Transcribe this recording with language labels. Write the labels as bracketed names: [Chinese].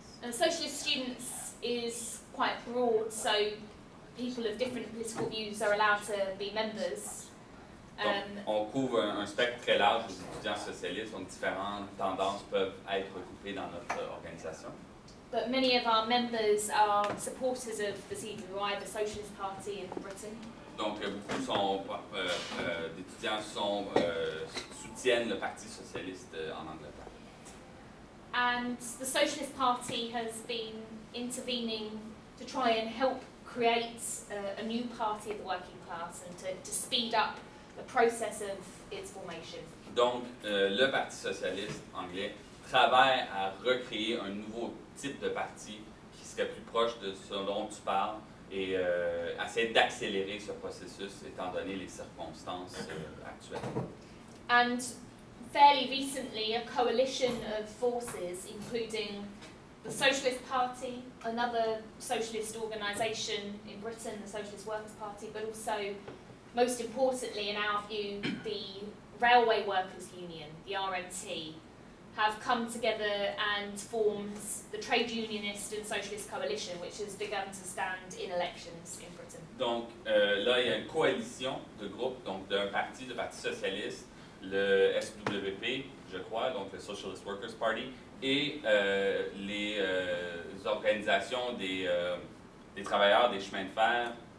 [English] Socialist Students is quite broad, so people of different political views are allowed to be members. [French] Donc, on couvre un spectre très large des étudiants socialistes, donc différentes tendances peuvent être regroupées dans notre organisation. [English] But many of our members are supporters of the CWI, the Socialist Party in Britain. [French] Donc, beaucoup d'étudiants soutiennent le Parti socialiste en Angleterre. [English] And the Socialist Party has been intervening to try and help create a new party of the working class and to speed up the process of its formation. [French] Donc, le Parti socialiste anglais travaille à recréer un nouveau type de parti qui serait plus proche de ce dont tu parles, et essayer d'accélérer ce processus étant donné les circonstances actuelles. [English] And fairly recently, a coalition of forces, including the Socialist Party, another socialist organisation in Britain, the Socialist Workers' Party, but also, most importantly in our view, the Railway Workers' Union, the RMT, have come together and formed the Trade Unionist and Socialist Coalition, which has begun to stand in elections in Britain. [French] Donc là, il y a une coalition de groupes, donc d'un parti, le Parti Socialiste, le SWP, je crois, donc le Socialist Workers' Party, et les organisations des travailleurs des chemins de fer